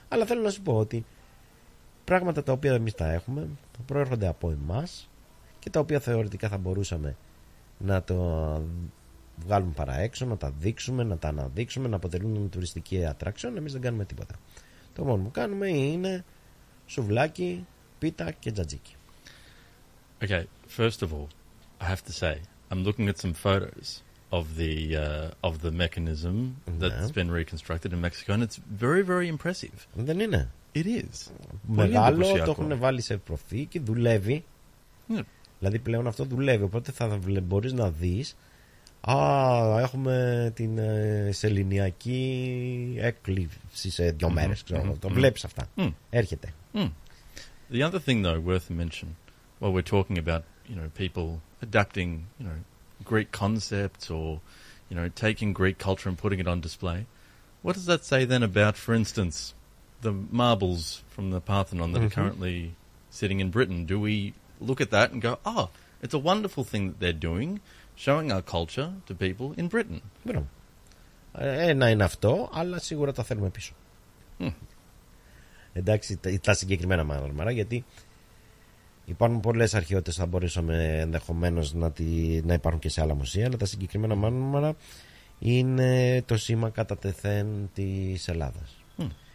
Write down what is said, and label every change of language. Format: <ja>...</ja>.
<el>Αλλά θέλω να σου πω ότι πράγματα τα οποία εμείς τα έχουμε προέρχονται από εμάς και τα οποία θεωρητικά θα μπορούσαμε να το βγάλουμε παρά έξω, να τα δείξουμε, να τα αναδείξουμε, να αποτελούν τουριστική ατράξιο. Εμείς δεν κάνουμε τίποτα. Το μόνο που κάνουμε είναι σουβλάκι, πίτα και τζατζίκι.</el> <en>Okay, first of all, I have to say, I'm looking at some photos of the mechanism that's been reconstructed in Mexico, and it's very, very impressive.</en> <el>Δεν είναι.</el> <en>It is.</en> <el>Μεγάλο, το έχουν βάλει σε προθήκη, δουλεύει.</el> <en>Yeah.</en> <el>Δηλαδή πλέον αυτό δουλεύει, οπότε θα μπορείς να δεις, α, έχουμε την σεληνιακή έκλειψη σε δύο mm-hmm. μέρες, ξέρω, mm-hmm. το βλέπεις αυτά. Mm. Έρχεται. Mm.</el> <en>The other thing, though, worth mention, while we're talking about, you know, people adapting, you know, Greek concepts or, you know, taking Greek culture and putting it on display, what does that say then about, for instance, the marbles from the Parthenon that mm-hmm. are currently sitting in Britain? Do we look at that and go, oh, it's a wonderful thing that they're doing, showing our culture to people in Britain?</en> <el>Ένα είναι αυτό, αλλά σίγουρα τα θέλουμε πίσω. Εντάξει, τα συγκεκριμένα μάρμαρα, γιατί υπάρχουν πολλές αρχαιότητες, θα μπορούσαμε ενδεχομένως να υπάρχουν και σε άλλα μουσεία, αλλά τα συγκεκριμένα μάρμαρα είναι το σήμα κατά τεθέν της Ελλάδας. Mm.</el>